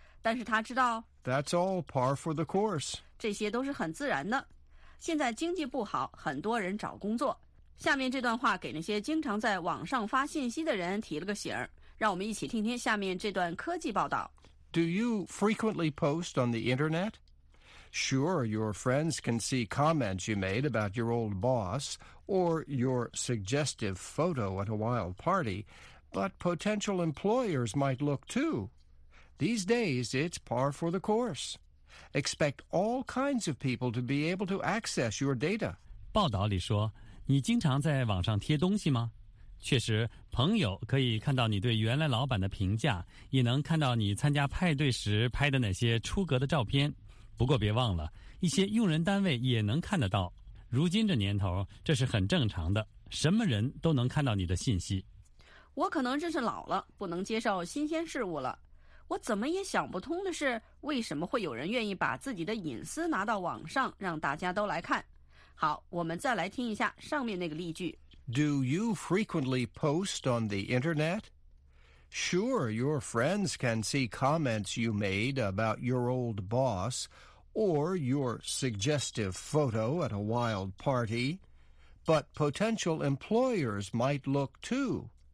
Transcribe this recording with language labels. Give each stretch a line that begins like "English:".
Chinese: 但是他知道
English: That's all par for the course.
Chinese: 这些都是很自然的。现在经济不好，很多人找工作。下面这段话给那些经常在网上发信息的人提了个醒儿，让我们一起听听下面这段科技报道。
English: Do you frequently post on the internet? Sure, your friends can see comments you made about your old boss or your suggestive photo at a wild party, but potential employers might look too. These days, it's par for the course. Expect all kinds of people to be able to access your data.
Chinese: 报道里说你经常在网上贴东西吗？确实，朋友可以看到你对原来老板的评价，也能看到你参加派对时拍的那些出格的照片。不过别忘了，一些用人单位也能看得到。如今这年头，这是很正常的，什么人都能看到你的信息。我可能真是老了，不能接受新鲜事物了。我怎么也想不通的是，为什么会有人愿意把自己的隐私拿到网上，让大家都来看。好，我们再来听一下上面那个例句。
English: Do you frequently post on the internet? Sure, your friends can see comments you made about your old boss or your suggestive photo at a wild party, but potential employers might look too.